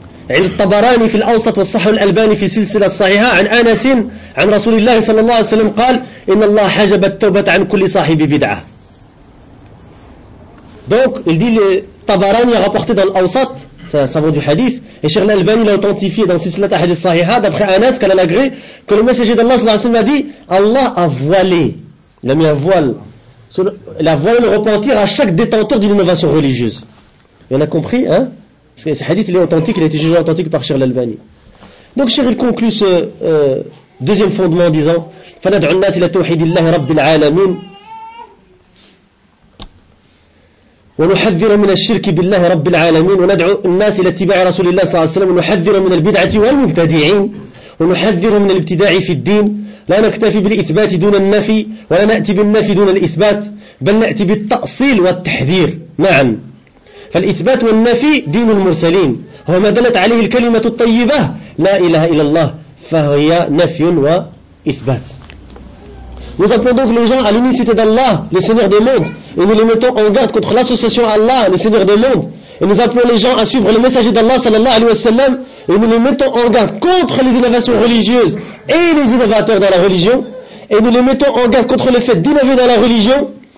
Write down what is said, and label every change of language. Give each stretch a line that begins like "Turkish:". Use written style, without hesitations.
Arabic: عن الطبراني في الأوسط والصحيح الألباني في سلسلة صحيحة عن أنس عن رسول الله صلى الله عليه وسلم قال إن الله حجب التوبة عن كل صاحب بدعة.
French: Donc il dit le Tabarani a rapporté dans l'Awsat, ça vaut du hadith, et Cheikh l'Albani l'a authentifié dans Sisla Tahad al-Sahiha, d'après Anas, qu'elle a l'agré, que le messager d'Allah sallallahu alayhi wa sallam a dit, Allah a voilé, il a mis un voile, il a voilé le repentir à chaque détenteur d'une innovation religieuse. Il y en a compris, hein? Parce que ce hadith, il est authentique, il a été jugé authentique par Cheikh l'Albani.
Arabic: Donc, Cheikh, il conclut ce deuxième fondement en disant فَنَدْعُ النَّاسِ إِلَى تَوْحِيدِ اللَّهِ رَبِّ الْعَالَمِينَ وَنُحَذِّرُ مِنَ الشِّرْكِ بِاللَّهِ رَبِّ الْعَالَمِينَ وَنَدْعُ النَّاسِ إِلَى اتِّبَاعِ رَسُولِ اللَّهِ صلى الله عليه وسلم وَنُحَذِّرُ مِنَ الْبِدْعَةِ وَالْمُبْتَدِعِينَ وَنُحَذِّرُ مِنَ الْابْتِدَاعِ فِي الدِّينِ لَا نَكْتَفِي بِالْإِثْبَاتِ دُونَ النَّفِي وَلَا نَأْتِي بِالنَّفِي دُونَ الْإِثْبَاتِ بَلْ نَأْتِي بِالتَّأْصِيلِ وَالتَّحْذِيرِ نَعَمْ فالإثبات والنفي دين المرسلين وما دلت عليه الكلمة الطيبة لا إله إلا الله فهي نفي وإثبات.
French: Nous appelons donc les gens à l'unicité d'Allah, le Seigneur des mondes, et nous les mettons en garde contre l'association à Allah, le Seigneur des mondes, et nous appelons les gens à suivre le messager d'Allah sallallahu alayhi wa sallam, et nous les mettons en garde contre les innovations religieuses et les innovateurs dans la religion, et nous les mettons en garde contre le fait d'innover dans la religion.